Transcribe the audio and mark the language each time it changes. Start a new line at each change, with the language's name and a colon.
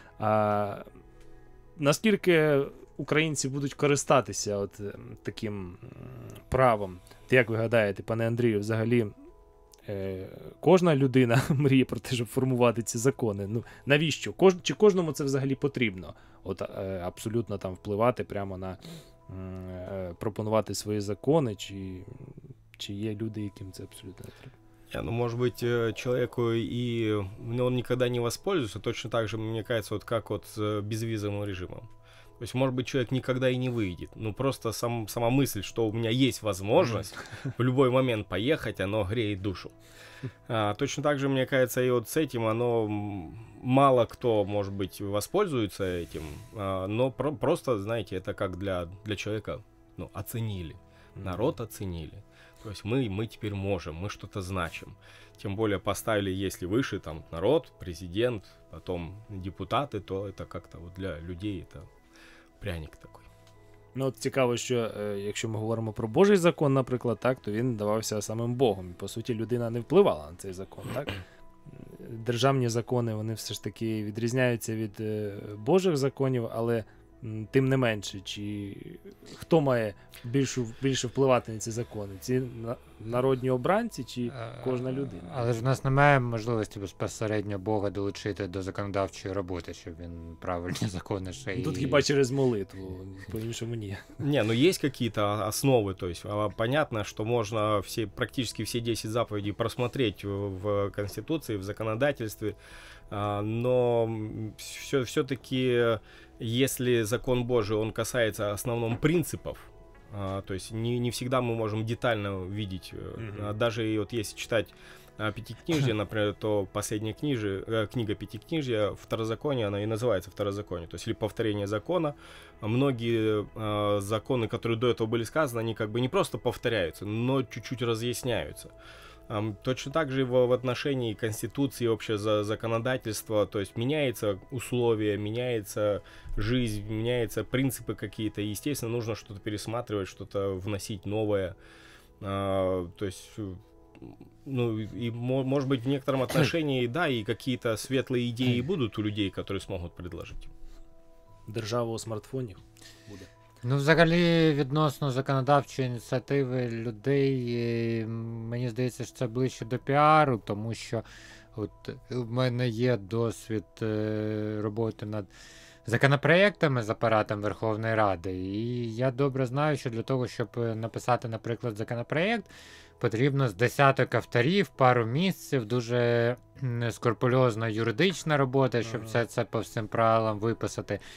Ukrainian: А наскільки українці будуть користатися от таким правом, ти як ви гадаєте, пане Андрію, взагалі, кожна людина мріє про те, щоб формувати ці закони. Ну, навіщо? Чи кожному це взагалі потрібно? От абсолютно там впливати прямо на пропонувати свої закони, чи є люди, яким це абсолютно не треба?
Russian: Ну, может быть, человеку и он никогда не воспользуется, точно так же, мне кажется, вот как вот с безвизовым режимом. То есть, может быть, человек никогда и не выйдет. Ну, просто сама мысль, что у меня есть возможность в любой момент поехать, оно греет душу. А, точно так же, мне кажется, и вот с этим оно... Мало кто, может быть, воспользуется этим, но просто, знаете, это как для человека, ну, оценили. Народ оценили. То есть мы теперь можем, мы что-то значим. Тем более поставили, если выше, там, народ, президент, потом депутаты, то это как-то вот для людей это... пряник такой.
Ukrainian: Ну, от цікаво, що якщо ми говоримо про Божий закон, наприклад, так, то він давався самим Богом. По суті, людина не впливала на цей закон, так? Державні закони, вони все ж таки відрізняються від Божих законів, але тим не менше, чи хто має більше впливати на ці закони? Ці народні обранці чи кожна людина? Але ж в нас немає можливості безпосередньо Бога долучити до законодавчої роботи, щоб він правильні закони ще й... Тут хіба через молитву, по-іншому ні. Ні, ну є якісь основи, тобто, понятно, що можна всі, практично всі 10 заповідей просмотреть в Конституції, в законодательстві, но все-таки...
Russian: Если закон Божий, он касается основном принципов, то есть не всегда мы можем детально видеть, даже вот если читать Пятикнижие, например, то последняя книга Пятикнижия, Второзаконие, она и называется Второзаконие, то есть или повторение закона. Многие законы, которые до этого были сказаны, они как бы не просто повторяются, но чуть-чуть разъясняются. Точно так же в отношении Конституции, общее законодательство, то есть меняются условия, меняется жизнь, меняются принципы какие-то, естественно, нужно что-то пересматривать, что-то вносить новое, то есть, ну, и может быть, в некотором отношении, да, и какие-то светлые идеи будут у людей, которые смогут предложить.
Ukrainian: Держава у смартфонів буде. Ну, взагалі, відносно законодавчої ініціативи людей, мені здається, що це ближче до піару, тому що от в мене є досвід роботи над законопроєктами з апаратом Верховної Ради, і я добре знаю, що для того, щоб написати, наприклад, законопроєкт, потрібно з десяток авторів, пару місяців, дуже скрупульозна юридична робота, щоб це по всім правилам виписати.